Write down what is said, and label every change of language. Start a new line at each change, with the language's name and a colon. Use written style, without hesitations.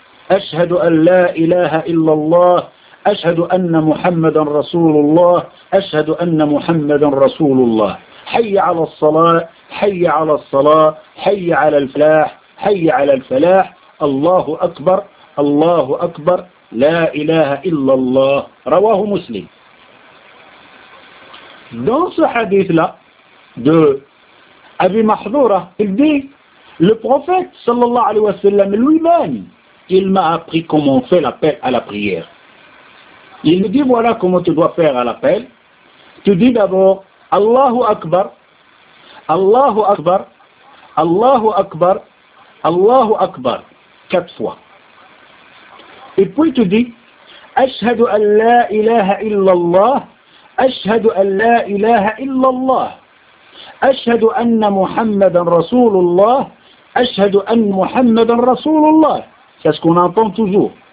Arabic: أشهد أن لا إله إلا الله أشهد أن محمدا رسول الله أشهد أن محمدا رسول الله، حي على الصلاة حي على الصلاة حي على الفلاح حي على الفلاح، الله أكبر الله أكبر لا إله إلا الله، رواه مسلم.
French: دونس حديث لا دو أبي محظورة دي البروفيت صلى الله عليه وسلم lui-même il m'a appris comment faire l'appel à la prière. Il me dit voilà comment tu dois faire à l'appel. Tu dis d'abord
Arabic: الله أكبر الله أكبر
French: الله أكبر الله أكبر 4 fois. Et puis tu dis
Arabic: أشهد أن لا إله إلا الله أشهد أن لا إله إلا الله أشهد أن محمدا رسول الله أشهد أن محمدا رسول الله كاسكون أنطون توجور،